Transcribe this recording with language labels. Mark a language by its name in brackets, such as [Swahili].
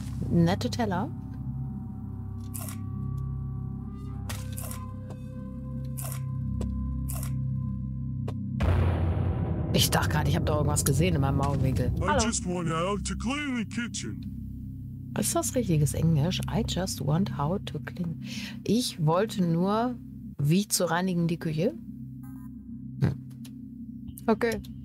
[German] Nette Teller. Ich dachte gerade, ich habe da irgendwas gesehen in meinem Augenwinkel. Hallo. [English] I just want how to clean the kitchen. [German] Ist das richtiges Englisch? [English] I just want how to clean. [German] Ich wollte nur, wie zu reinigen die Küche. Okay.